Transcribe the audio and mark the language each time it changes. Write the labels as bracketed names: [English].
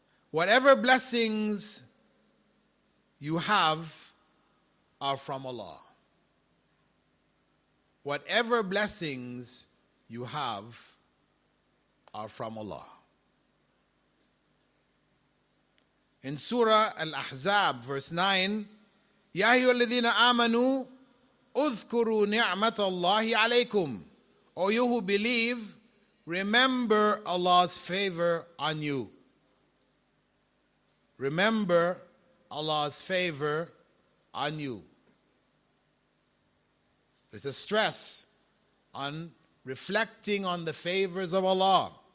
[English] Whatever blessings you have are from Allah. Whatever blessings you have are from Allah. In Surah Al-Ahzab, verse 9, [Arabic] يَا أَيُّهَا الَّذِينَ آمَنُوا أُذْكُرُوا نِعْمَةَ اللَّهِ عَلَيْكُمْ. [English] O you who believe, remember Allah's favor on you. Remember Allah's favor on you. There's a stress on reflecting on the favors of Allah.